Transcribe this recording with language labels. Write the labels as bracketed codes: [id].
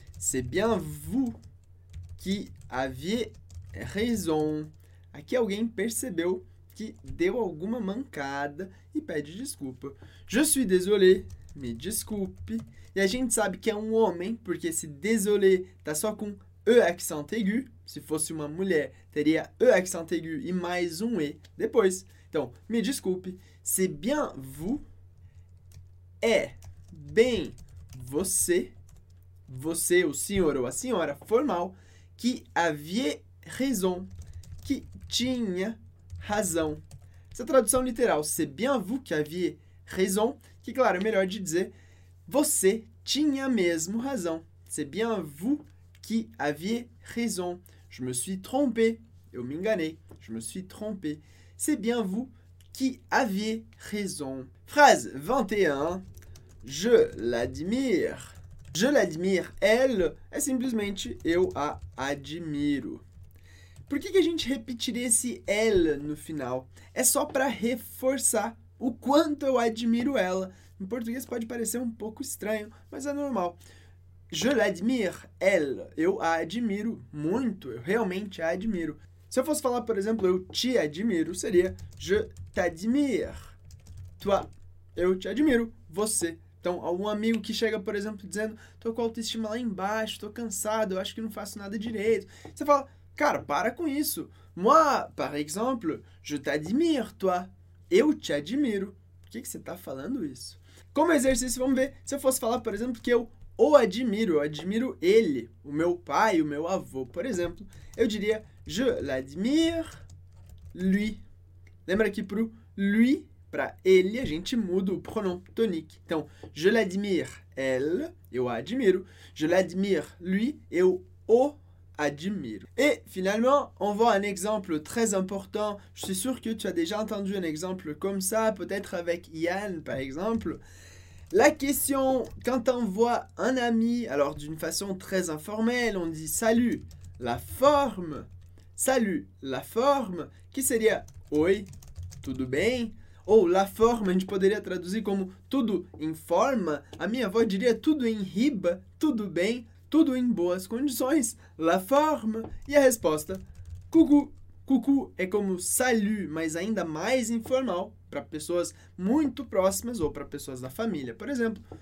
[fr] C'est bien vous qui aviez raison. [pt] Aqui alguém percebeu que deu alguma mancada e pede desculpa. [fr] Je suis désolé. [pt] Me desculpe. E a gente sabe que é um homem, porque esse désolé tá só com e accent aigu. Se fosse uma mulher, teria e accent aigu e mais um e depois. Então, me desculpe. [fr] C'est bien vous. [pt] É bem você. Você, o senhor ou a senhora, formal. [fr] Qui aviez raison. [pt] Que tinha razão. Essa tradução literal, [fr] c'est bien vous qui aviez raison. [pt] Que, claro, é melhor de dizer você tinha mesmo razão. [fr] C'est bien vous qui aviez raison. Je me suis trompé. [pt] Eu me enganei. [fr] Je me suis trompé. C'est bien vous qui aviez raison. Phrase 21. Je l'admire. Je l'admire, elle, [pt] é simplesmente eu a admiro. Por que que a gente repetiria esse elle no final? É só para reforçar o quanto eu admiro ela. Em português pode parecer um pouco estranho, mas é normal. [fr] Je l'admire, elle. [pt] Eu a admiro muito, eu realmente a admiro. Se eu fosse falar, por exemplo, eu te admiro, seria [fr] je t'admire. [pt] Toi, eu te admiro, você. Então, algum amigo que chega, por exemplo, dizendo: tô com a autoestima lá embaixo, tô cansado, eu acho que não faço nada direito. Você fala: cara, para com isso. [fr] Moi, par exemple, je t'admire, toi. [pt] Eu te admiro. Por que que você tá falando isso? Como exercício, vamos ver se eu fosse falar, por exemplo, que eu o admiro, eu admiro ele, o meu pai, o meu avô, por exemplo. Eu diria: [fr] je l'admire, lui. [pt] Lembra que pro lui. Para ele, a gente muda o pronome tonique. Então, [fr] je l'admire, elle, [pt] eu a admiro. [fr] Je l'admire, lui, [pt] eu o Ajimiru. [fr] Et finalement, on voit un exemple très important. Je suis sûr que tu as déjà entendu un exemple comme ça, peut-être avec Yann par exemple. La question, quand on voit un ami, alors d'une façon très informelle, on dit salut la forme. Salut la forme, [pt] qui seria oi, tudo bem? Ou la forma, a gente poderia traduzir como tudo em forma. A minha avó diria tudo em riba, tudo bem, tudo em boas condições. La forma. E a resposta, cucu. Cucu é como salut, mas ainda mais informal para pessoas muito próximas ou para pessoas da família, por exemplo.